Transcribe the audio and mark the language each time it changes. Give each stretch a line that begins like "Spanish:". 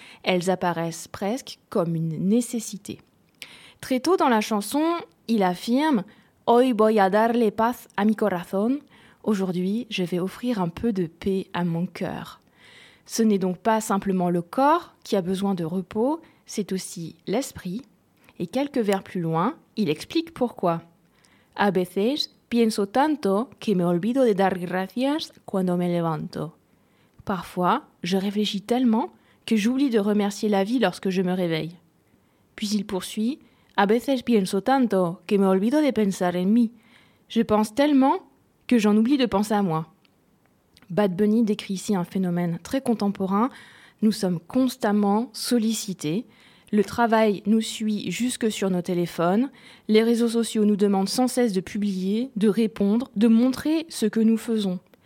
French: Elles apparaissent presque comme une nécessité. Très tôt dans la chanson, il affirme «
Spanish: Hoy voy a darle paz a mi corazón ».
French: Aujourd'hui, je vais offrir un peu de paix à mon cœur. Ce n'est donc pas simplement le corps qui a besoin de repos, c'est aussi l'esprit. Et quelques vers plus loin, il explique pourquoi.
Spanish: A veces pienso tanto que me olvido de dar gracias cuando me levanto.
French: Parfois, je réfléchis tellement que j'oublie de remercier la vie lorsque je me réveille. Puis il poursuit.
Spanish: A veces pienso tanto que me olvido de pensar en mí.
French: Je pense tellement que j'en oublie de penser à moi. Bad Bunny décrit ici un phénomène très contemporain. Nous sommes constamment sollicités. Le travail nous suit jusque sur nos téléphones. Les réseaux sociaux nous demandent sans cesse de publier, de répondre, de montrer ce que nous faisons.